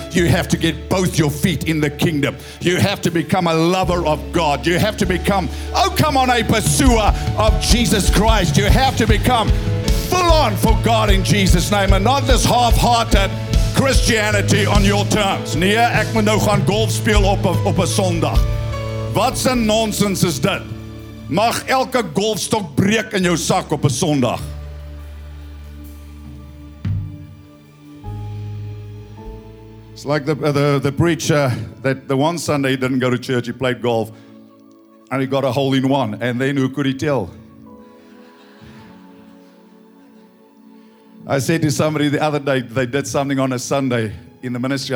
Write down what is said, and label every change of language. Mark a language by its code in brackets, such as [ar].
[en] You have to get both your feet in the kingdom. You have to become a lover of God. You have to become, oh come on, a pursuer of Jesus Christ. You have to become full on for God in Jesus' name and not this half-hearted Christianity on your terms. [af] Nee, ek moet nou gaan golf speel op 'n Sondag. Wat 'n nonsense is dit? Mag elke golfstok breek in jou sak op 'n Sondag. [en] It's like the preacher that the one Sunday he didn't go to church, he played golf and he got a hole in one, and then who could he tell? I said to somebody the other day, they did something on a Sunday in the ministry.